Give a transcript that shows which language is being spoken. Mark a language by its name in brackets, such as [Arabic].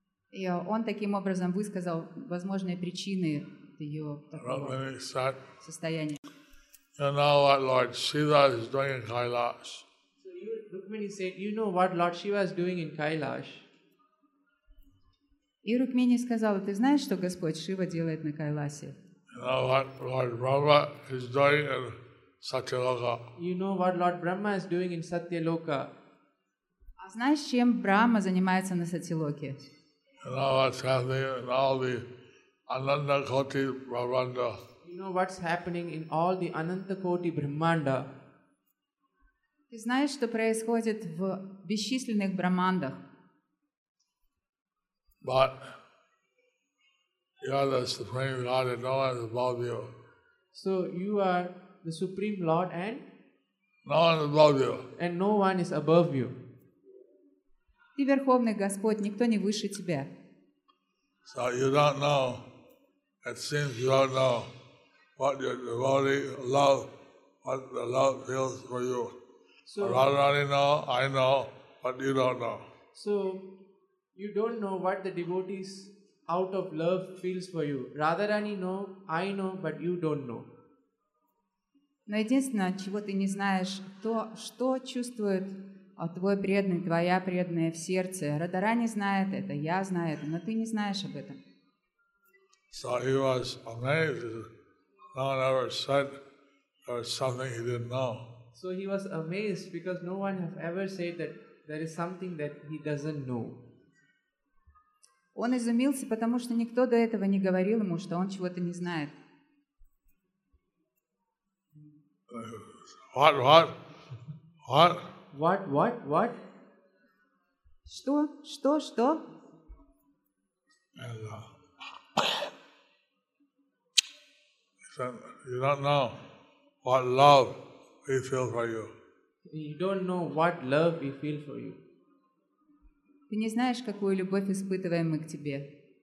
[Russian] И он таким образом высказал возможные причины ее такого состояния. [English] You know what Lord Shiva is doing in Kailash. So Rukmini said, you know what Lord Shiva is doing in Kailash. [Russian] И Рукмини сказала, ты знаешь, что Господь Шива делает на Кайласе? [English] You know what Lord Brahma is doing in Satyaloka. You know what Lord Brahma is doing in Satyaloka. [Russian] А знаешь, чем Брахма занимается на Сатилоке? [English] You know what's happening in all the Ananta Koti Brahmanda. You know what's happening in all the Ananta Koti Brahmanda. [Russian] Ты знаешь, что происходит в бесчисленных брахмандах? [English] But you are the Supreme Lord and no one is above you. So you are the Supreme Lord and? No one is above you. And no one is above you. [Russian] Ты Верховный Господь, никто не выше тебя. [English] So you don't know, it seems you don't know what your devotee love, what the love feels for you. So Radharani know, I know, but you don't know. So you don't know what the devotees out of love feels for you. Radharani know, I know, but you don't know. [Russian] Но единственное, чего ты не знаешь, то, что чувствует твой преданный, твоя преданная в сердце. Радарани знает это, я знаю это, но ты не знаешь об этом. [English] So he was amazed. No one ever said there was something he didn't know. So he was amazed because no one has ever said that there is something that he doesn't know. [Russian] Он изумился, потому что никто до этого не говорил ему, что он чего-то не знает. [English] What? What? What? What? What? What? [Russian] Что? Что? Что? [English] And, he said, you don't know what love we feel for you. You don't know what love we feel for you. [Russian] Ты не знаешь, какую любовь испытываем мы к тебе.